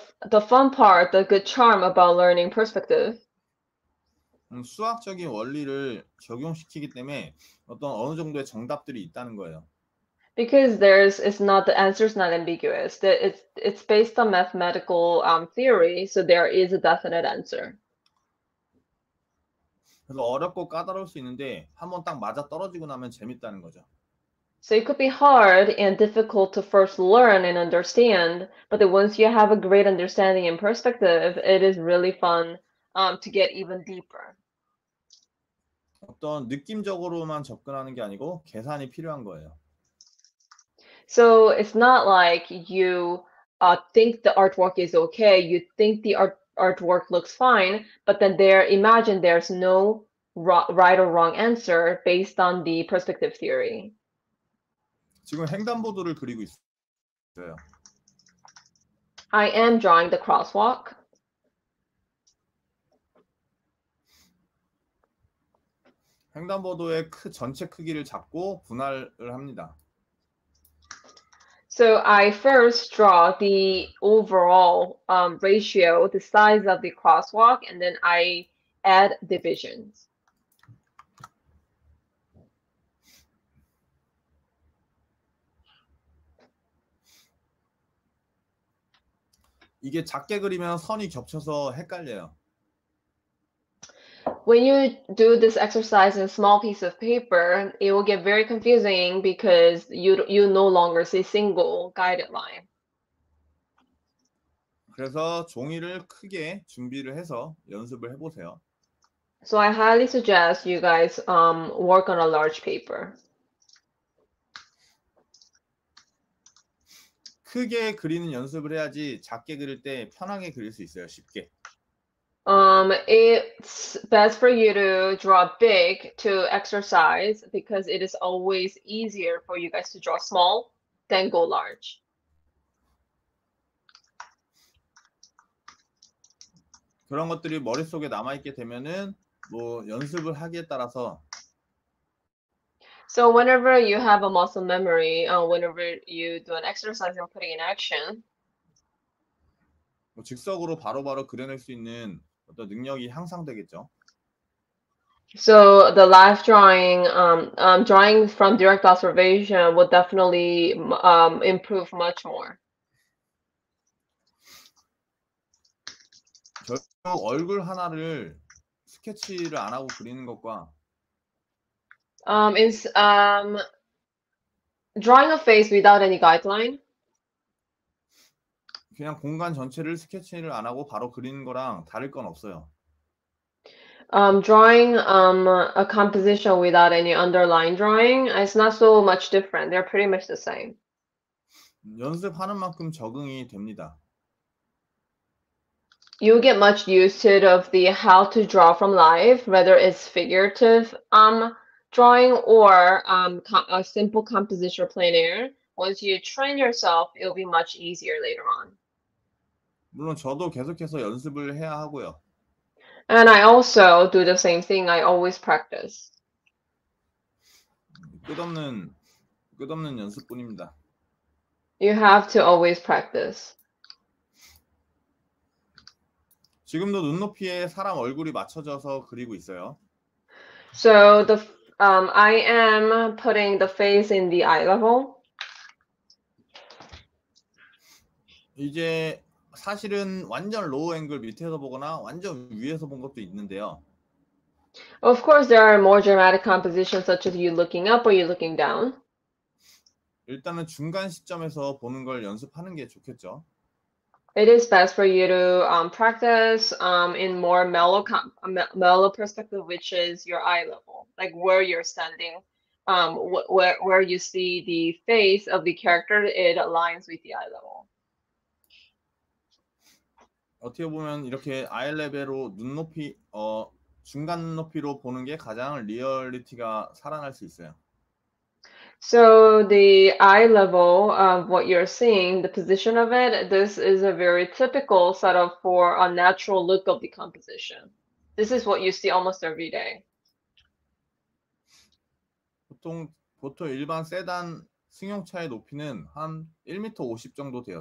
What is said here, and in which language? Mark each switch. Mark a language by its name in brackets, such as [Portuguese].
[English] The fun part, the good charm about learning perspective. [Korean] 수학적인 원리를 적용시키기 때문에 어떤 어느 정도의 정답들이 있다는 거예요. [English] Because it's not the answer's not ambiguous. It's based on mathematical theory, so there is a definite answer. [Korean] 그래서 어렵고 까다로울 수 있는데 한번 딱 맞아 떨어지고 나면 재밌다는 거죠. [English] So it could be hard and difficult to first learn and understand, but once you have a great understanding and perspective, it is really fun to get even deeper. [Korean] 어떤 느낌적으로만 접근하는 게 아니고 계산이 필요한 거예요. [English] So it's not like you think the artwork is okay. You think the artwork looks fine, but then imagine there's no right or wrong answer based on the perspective theory. [Korean] 지금 횡단보도를 그리고 있어요. [English] I am drawing the crosswalk. [Korean] 횡단보도의 전체 크기를 잡고 분할을 합니다. [English] So I first draw the overall ratio, the size of the crosswalk, and then I add divisions. [Korean] 이게 작게 그리면 선이 겹쳐서 헷갈려요. [English] When you do this exercise in small piece of paper, it will get very confusing because you no longer see single guided line. [Korean] 그래서 종이를 크게 준비를 해서 연습을 해보세요. [English] So I highly suggest you guys work on a large paper. [Korean] 크게 그리는 연습을 해야지 작게 그릴 때 편하게 그릴 수 있어요, 쉽게. [English] It's best for you to draw big to exercise because it is always easier for you guys to draw small than go large. [Korean] 그런 것들이 머릿속에 남아있게 되면은 뭐 연습을 하기에 따라서 [English] So whenever you have a muscle memory, whenever you do an exercise and putting in action, [Korean] 뭐 즉석으로 바로바로 그려낼 수 있는 어떤 능력이 향상되겠죠. [English] So the live drawing, drawing from direct observation would definitely improve much more. [Korean] 결국 얼굴 하나를 스케치를 안 하고 그리는 것과 [English] is drawing a face without any guideline. [Korean] 그냥 공간 전체를 스케치를 안 하고 바로 그리는 거랑 다를 건 없어요. [English] Drawing a composition without any underline drawing is not so much different. They're pretty much the same. [Korean] 연습하는 만큼 적응이 됩니다. [English] You'll get much used to it of the how to draw from life, whether it's figurative drawing or a simple composition or plein air. Once you train yourself, it'll be much easier later on. [Korean] 물론 저도 계속해서 연습을 해야 하고요. [English] And I also do the same thing. I always practice. [Korean] 끝없는 연습뿐입니다. [English] You have to always practice. [Korean] 지금도 눈높이에 사람 얼굴이 맞춰져서 그리고 있어요. [English] So the I am putting the face in the eye level. [Korean] 이제 사실은 완전 로우 앵글 밑에서 보거나 완전 위에서 본 것도 있는데요. [English] Of course, there are more dramatic compositions such as you looking up or you looking down. [Korean] 일단은 중간 시점에서 보는 걸 연습하는 게 좋겠죠. [English] It is best for you to practice in more mellow perspective, which is your eye level, like where you're standing, where you see the face of the character, it aligns with the eye level. [Korean] 어떻게 보면 이렇게 아이 레벨로 눈높이 중간 높이로 보는 게 가장 리얼리티가 살아날 수 있어요. [English] So the eye level of what you're seeing, the position of it, this is a very typical setup for a natural look of the composition. This is what you see almost every day. [Korean] 보통 일반 세단 승용차의 높이는 한 1m50 정도 돼요.